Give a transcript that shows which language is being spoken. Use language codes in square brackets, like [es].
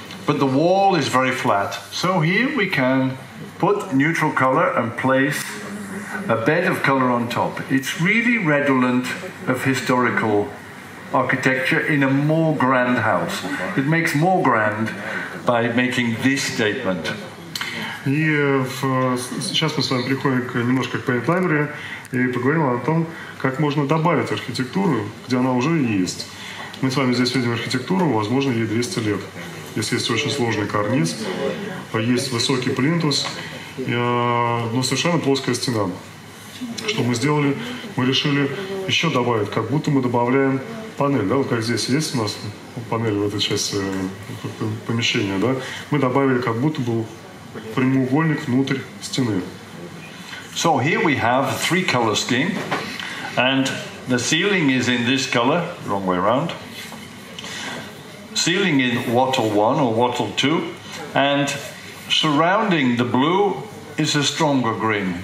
[en] But the wall is very flat. So here we can put neutral color and place a bed of color on top. It's really redolent of historical architecture in a more grand house. It makes more grand by making this statement. [ru] И сейчас мы с вами переходим немножко к Paint Library и поговорим о том, как можно добавить архитектуру, где она уже есть. Мы с вами здесь видим архитектуру, возможно, ей 200 лет. Здесь есть очень сложный карниз, есть высокий плинтус, но совершенно плоская стена. Что мы сделали? Мы решили еще добавить, как будто мы добавляем панель, да, вот как здесь есть у нас панель в этой части помещения, да, мы добавили, как будто был прямоугольник внутрь стены. [en] So here we have a three-color scheme, and the ceiling is in this color, wrong way around. Ceiling in wattle one or wattle two, and surrounding the blue is a stronger green.